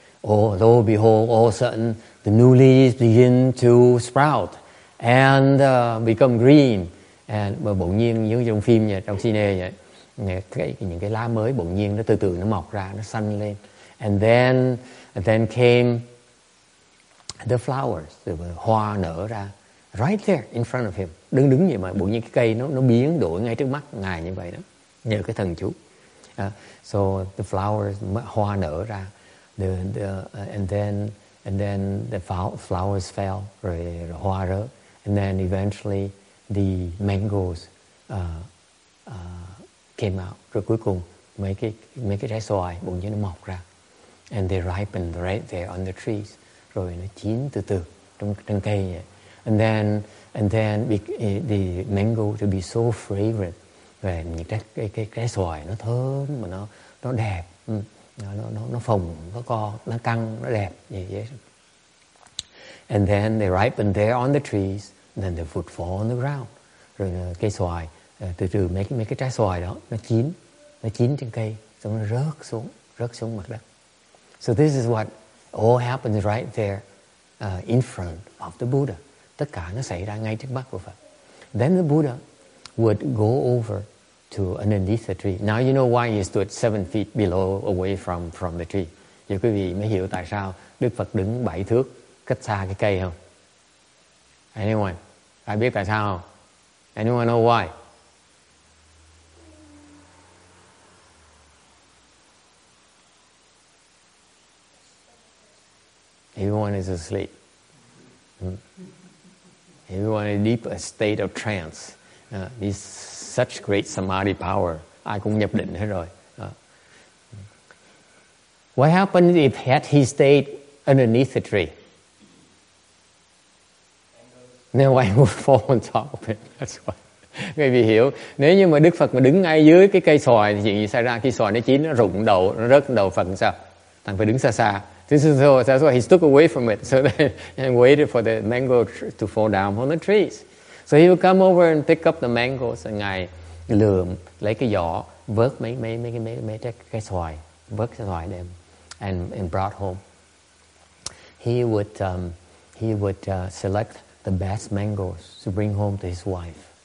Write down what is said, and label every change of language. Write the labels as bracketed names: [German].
[English] Oh, lo and behold, all of a sudden the new leaves begin to sprout and become green. [Vietnamese] And mà bỗng nhiên giống như trong phim vậy, trong cine vậy, những cái lá mới bỗng nhiên nó từ từ nó mọc ra, nó xanh lên. [English] And then came the flowers, [Vietnamese] hoa nở ra [English] right there in front of him. [Vietnamese] Đứng vậy mà bỗng nhiên cái cây nó biến đổi ngay trước mắt ngài như vậy đó, nhờ cái thần chú. [English] So the flowers, [Vietnamese] hoa nở ra, [English] and then the flowers fell, [Vietnamese] rồi hoa rớt, [English] and then eventually the mangoes came out. [Vietnamese] Rồi cuối cùng mấy cái trái xoài bỗng nhiên nó mọc ra, [English] and they ripened right there on the trees. [Vietnamese] Rồi nó chín từ từ trong cây vậy. [English] And then the mango to be so fragrant. [Vietnamese] Về những cái xoài nó thơm mà nó đẹp, nó phồng, nó co, nó căng, nó đẹp như thế. [English] And then they ripen there on the trees, then they would fall on the ground. [Vietnamese] Rồi cây xoài từ từ mấy cái trái xoài đó nó chín trên cây, xong nó rớt xuống mặt đất. [English] So this is what all happens right there in front of the Buddha. [Vietnamese] Tất cả nó xảy ra ngay trước mắt của Phật. [English] Then the Buddha would go over to underneath the tree. Now you know why he stood 7 feet below, away from the tree. [Vietnamese] Giờ quý vị mới hiểu tại sao Đức Phật đứng 7 thước cách xa cái cây không? [English] Anyone? [Vietnamese] Ai biết tại sao? [English] Anyone know why? Everyone is asleep. Everyone is deep a state of trance. This such great samadhi power. [Vietnamese] Ai cũng nhập định hết rồi. [English] What happened if had he stayed underneath the tree? Then why would fall on top of it? That's why. [Vietnamese] Người vì hiểu. Nếu như mà Đức Phật mà đứng ngay dưới cái cây xoài thì chuyện gì xảy ra? Khi xoài nó chín, nó rớt đầu Phật sao? Thằng phải đứng xa xa. [English] This is so. That's why he stuck away from it. So that, and waited for the mango to fall down from the trees. So he would come over and pick up the mangoes, and [Vietnamese] ngài lượm lấy cái giỏ vớt mấy cái xoài, vớt cái xoài đem, [English] and brought home. He would select the best mangoes to bring home to his wife.